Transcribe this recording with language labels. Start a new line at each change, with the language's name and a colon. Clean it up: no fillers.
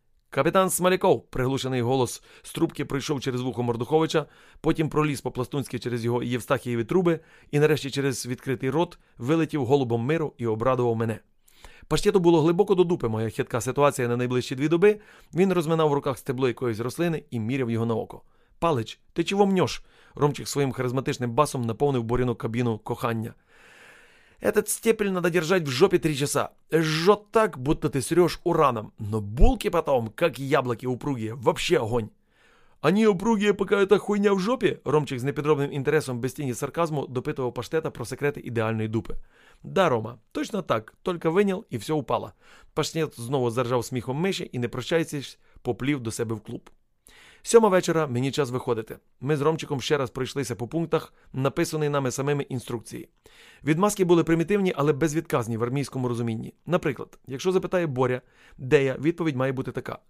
Ukrainian: «Капітан Смоляков», – приглушений голос з трубки пройшов через вухо Мордуховича, потім проліз по-пластунськи через його євстахієві труби і нарешті через відкритий рот вилетів голубом миру і обрадував мене. Паштету було глибоко до дупи, моя хитка ситуація на найближчі 2 доби. Він розминав в руках стебло якоїсь рослини і міряв його на око. «Палич, ти чого мньош?» Ромчик своїм харизматичним басом наповнив Боріну кабіну кохання.
Russian: «Этот степель надо держать в жопі 3 часа. Жжет так, будто ти срёшь ураном. Но булки потом, как яблоки упругие, вообще огонь». «Они упругие, пока эта хуйня в жопі?»
Ukrainian: Ромчик з непідробним інтересом без тіні сарказму допитував паштета про секрети ідеальної дупи.
Russian: «Да, Рома, точно так, только винял, і все упало».
Ukrainian: Паштет знову заржав сміхом миші і, не прощаючись, поплів до себе в клуб. 7 вечора, мені час виходити. Ми з Ромчиком ще раз пройшлися по пунктах, написаної нами самими інструкції. Відмазки були примітивні, але безвідказні в армійському розумінні. Наприклад, якщо запитає Боря, де я, відповідь має бути така.